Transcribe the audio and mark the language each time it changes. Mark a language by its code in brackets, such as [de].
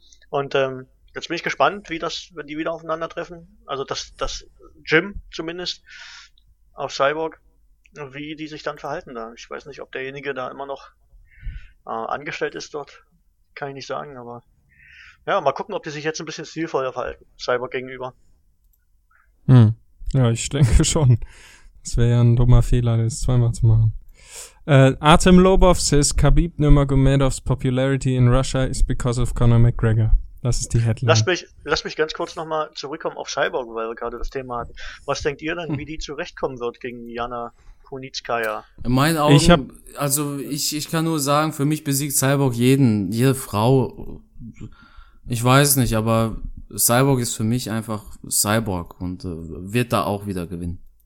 [de] Und jetzt bin ich gespannt, wie das, wenn die wieder aufeinandertreffen, also das Jim zumindest auf Cyborg, wie die sich dann verhalten da. Ich weiß nicht, ob derjenige da immer noch angestellt ist dort, kann ich nicht sagen, aber ja, mal gucken, ob die sich jetzt ein bisschen stilvoller verhalten, Cyborg gegenüber. Ja, ich denke schon. Das wäre ja ein dummer Fehler, das zweimal zu machen. [en] Artem Lobov says, Khabib Nurmagomedovs popularity in Russia is because of Conor McGregor. [de] Das ist die Headline. Lass mich ganz kurz nochmal zurückkommen auf Cyborg, weil wir gerade das Thema hatten. Was denkt ihr denn, wie die zurechtkommen wird gegen Jana Kunitskaya? In meinen Augen, ich kann nur sagen, für mich besiegt Cyborg jede Frau. Ich weiß nicht, aber Cyborg ist für mich einfach Cyborg und wird da auch wieder gewinnen.